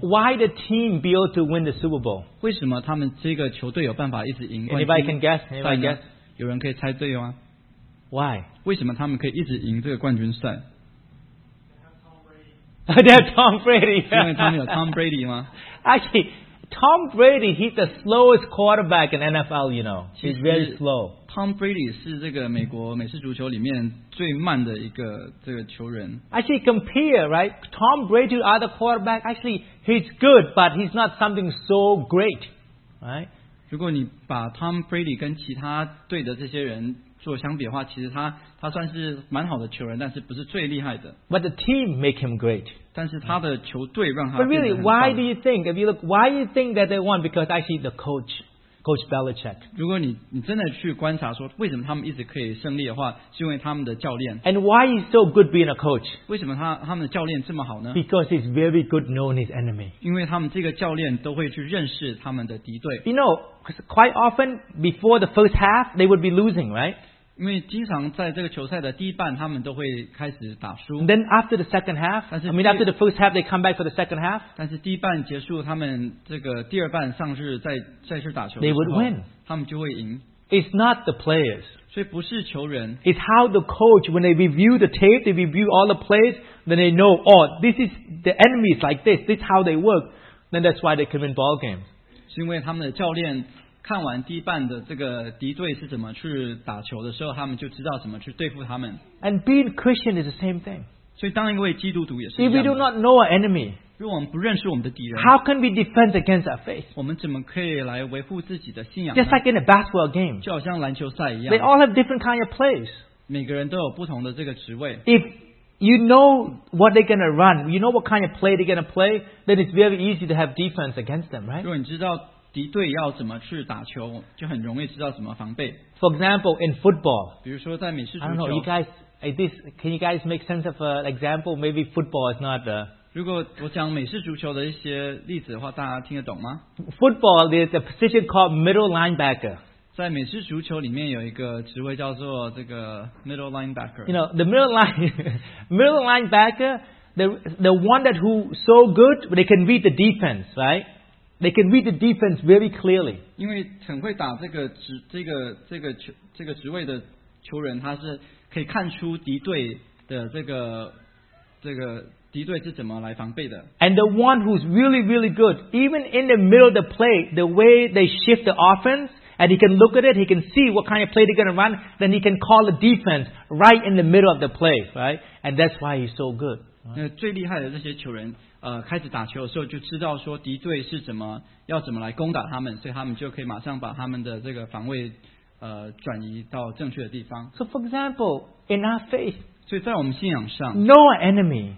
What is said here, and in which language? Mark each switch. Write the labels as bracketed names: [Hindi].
[English] Why the team built to win the Super Bowl? [Chinese] 为什么他们这个球队有办法一直赢冠军？ [English] Anybody can guess? Anybody guess? [Chinese] 有人可以猜对吗？ [English] Why? [Chinese] 为什么他们可以一直赢这个冠军赛？ [English] They have Tom Brady. [Chinese] 因为他们有Tom Brady吗？ [English] Actually, Tom Brady, he's the slowest quarterback in NFL, you know. He's very slow. [Chinese] Tom Brady 是这个美国美式足球里面最慢的一个这个球员. [English] Actually, compare, right? Tom Brady, other quarterback, actually, he's good, but he's not something so great, right? [Chinese] 如果你把 Tom Brady 跟其他队的这些人做相比的话, 其实他算是蛮好的球员, 但是不是最厉害的. [English] But the team make him great. [Chinese] 但是他的球队让他变得很棒。 [English] But really, why do you think, if you look, why do you think that they won? Because actually the coach, Coach Belichick. [Chinese] 如果你真的去观察说为什么他们一直可以胜利的话, 是因为他们的教练。 [English] And why he's so good being a coach? [Chinese] 为什么他们的教练这么好呢? [English] Because he's very good knowing his enemy. [Chinese] 因为他们这个教练都会去认识他们的敌对。 [English] You know, because quite often before the first half, they would be losing, right? [Chinese] 因为经常在这个球赛的第一半他们都会开始打输。 [English] Then after the second half, I mean after the first half, they come back for the second half. [Chinese] 但是第一半结束他们这个第二半上是再去打球的时候, [English] they would win. [Chinese] 他们就会赢。 [English] It's not the players. [Chinese] 所以不是球员。 [English] It's how the coach, when they review the tape, they review all the plays, then they know, oh, this is the enemies like this, this is how they work, then that's why they can win ball games. [Chinese] 是因为他们的教练 看完第一半的这个敌对是怎么去打球的时候，他们就知道怎么去对付他们。 [English] And being Christian is the same thing. [Chinese] 所以当一位基督徒也是一样。 [English] If we do not know our enemy, [Chinese] 如果我们不认识我们的敌人, [English] how can we defend against our faith? [Chinese] 我们怎么可以来维护自己的信仰? [English] Just like in a basketball game, [Chinese] 就好像篮球赛一样。 [English] They all have different kind of plays. [Chinese] 每个人都有不同的这个职位。 [English] If you know what they're going to run, you know what kind of play they're going to play, then it's very easy to have defense against them, right? [Chinese] 如果你知道 敌对要怎么去打球, 就很容易知道怎么防备。 [English] For example, in football, [Chinese] 比如说在美式足球, [English] I don't know, you guys, this, can you guys make sense of an example? Maybe football is not the... [Chinese] 如果我讲美式足球的一些例子的话, 大家听得懂吗? [English] Football, there's a position called middle linebacker. [Chinese] 在美式足球里面有一个职位叫做这个 middle linebacker. [English] You know, the middle line, middle linebacker, the one that who so good, they can beat the defense, right? They can read the defense very clearly. [Chinese] 因为很会打这个职位的球员，他是可以看出敌对的这个敌对是怎么来防备的。 [English] And the one who's really, really good, even in the middle of the play, the way they shift the offense, and he can look at it, he can see what kind of play they're going to run, then he can call the defense right in the middle of the play, right? And that's why he's so good. [Chinese] 最厉害的这些球员, 开始打球的时候就知道说敌对是怎么要怎么来攻打他们，所以他们就可以马上把他们的这个防卫转移到正确的地方。 [English] So for example, in our faith, [Chinese] 所以在我们信仰上, [English] know an enemy.